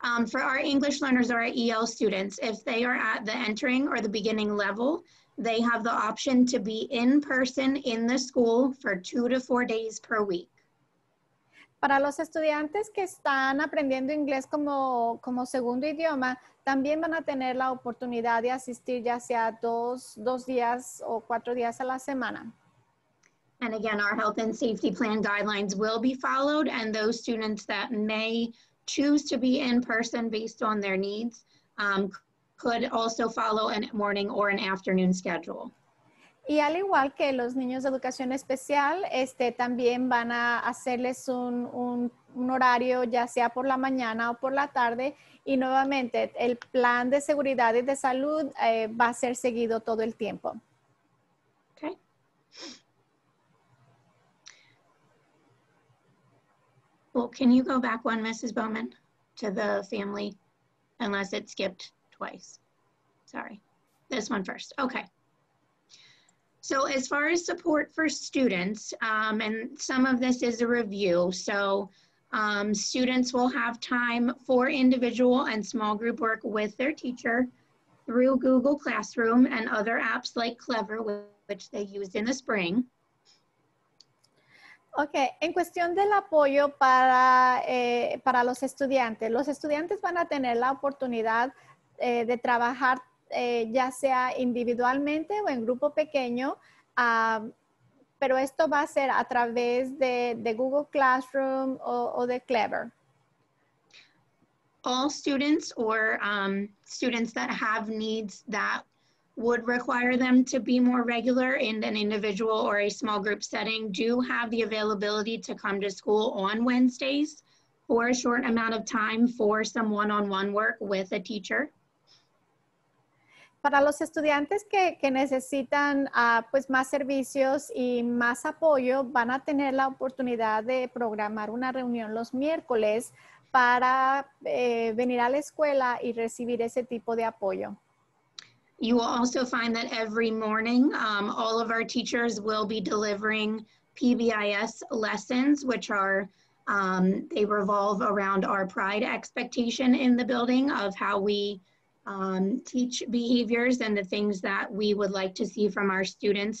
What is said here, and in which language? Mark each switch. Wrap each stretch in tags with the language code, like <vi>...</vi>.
<en>For our English learners or our EL students, if they are at the entering or the beginning level, they have the option to be in person in the school for 2 to 4 days per week.</en> <es>Para los estudiantes que están aprendiendo inglés como segundo idioma, también van a tener la oportunidad de asistir ya sea dos días o cuatro días a la semana.</es> <en>And again, our health and safety plan guidelines will be followed, and those students that may choose to be in person based on their needs could also follow a morning or an afternoon schedule.</en> <es>Y al igual que los niños de educación especial, también van a hacerles un horario ya sea por la mañana o por la tarde. Y nuevamente, el plan de seguridad y de salud va a ser seguido todo el tiempo.</es> <en>Okay. Well, can you go back one, Mrs. Bowman, to the family, unless it skipped twice. Sorry. This one first. Okay. So as far as support for students, and some of this is a review, so students will have time for individual and small group work with their teacher through Google Classroom and other apps like Clever, which they used in the spring.</en> <es>Okay, en cuestión del apoyo para los estudiantes van a tener la oportunidad de trabajar ya sea individualmente o en grupo pequeño, pero esto va a ser a través de Google Classroom o de Clever.</es> <en>All students or students that have needs that would require them to be more regular in an individual or a small group setting do have the availability to come to school on Wednesdays for a short amount of time for some one-on-one work with a teacher.</en> <es>Para los estudiantes que necesitan pues más servicios y más apoyo, van a tener la oportunidad de programar una reunión los miércoles para venir a la escuela y recibir ese tipo de apoyo.</es> <en>You will also find that every morning, all of our teachers will be delivering PBIS lessons, which are, they revolve around our pride expectation in the building of how we teach behaviors and the things that we would like to see from our students.</en>